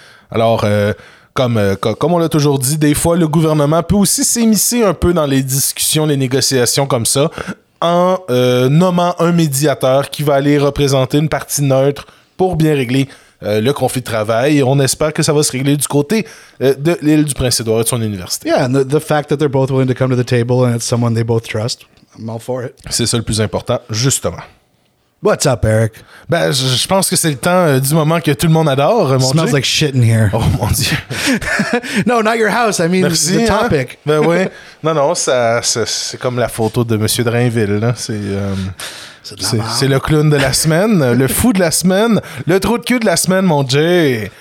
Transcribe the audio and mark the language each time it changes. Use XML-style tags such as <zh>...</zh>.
<fr>Alors, comme on l'a toujours dit, des fois, le gouvernement peut aussi s'immiscer un peu dans les discussions, les négociations comme ça, en nommant un médiateur qui va aller représenter une partie neutre pour bien régler le conflit de travail. On espère que ça va se régler du côté de l'île du Prince-Édouard et de son université.</fr> <en>Yeah, and the fact that they're both willing to come to the table and it's someone they both trust, I'm all for it.</en> <fr>C'est ça le plus important, justement.</fr> <en>What's up, Eric?</en> <fr>Ben, je pense que c'est le temps du moment que tout le monde adore, mon</fr> <en>Smells</en> <fr>Dieu.</fr> <en>Like shit in here.</en> <fr>Oh, mon Dieu.</fr> <en>No, not your house. I mean, merci, the topic.</en> <fr>Hein? Ben oui. Non, non, ça, c'est comme la photo de M. Drainville. Là. C'est le clown de la semaine, le fou de la semaine, le trou de cul de la semaine, mon Dieu.</fr>